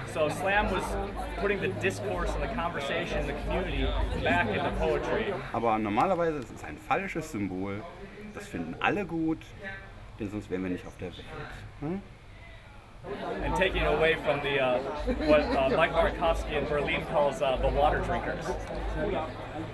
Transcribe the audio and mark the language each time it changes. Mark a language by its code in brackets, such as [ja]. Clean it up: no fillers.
[en] So Slam was putting the discourse and the conversation and the community back into poetry. [de] Aber normalerweise ist es ein falsches Symbol. Das finden alle gut, denn sonst wären wir nicht auf der Welt. Hm? [en] And taking away from the what Mike Markowski in Berlin calls the water drinkers.